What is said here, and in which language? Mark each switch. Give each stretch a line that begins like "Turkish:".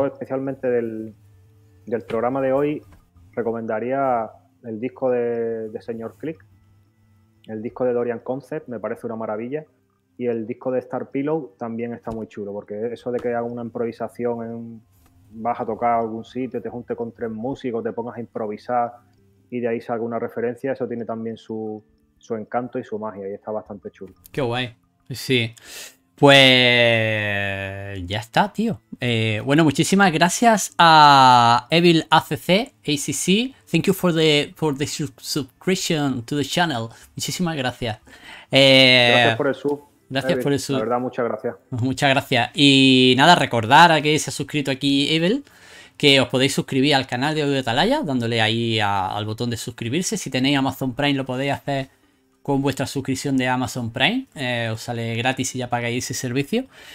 Spanish: Yo especialmente del programa de hoy recomendaría el disco de Señor Click, el disco de Dorian Concept, me parece una maravilla, y el disco de Star Pillow también está muy chulo, porque eso de que haga una improvisación, vas a tocar algún sitio, te junte con tres músicos, te pongas a improvisar y de ahí salga una referencia, eso tiene también su encanto y su magia, y está bastante chulo. Qué guay, sí. Pues ya está, tío. Bueno, muchísimas gracias a Evil ACC, ACC.
English: Thank you for the subscription to the channel.
Spanish: Muchísimas gracias. Gracias por el sub. Gracias, Evil, por el sub. La verdad, muchas gracias. Muchas gracias. Y nada, recordar a que se ha suscrito aquí Evil, que os podéis suscribir al canal de Audio Atalaya dándole ahí al botón de suscribirse. Si tenéis Amazon Prime lo podéis hacer con vuestra suscripción de Amazon Prime, os sale gratis y ya pagáis ese servicio.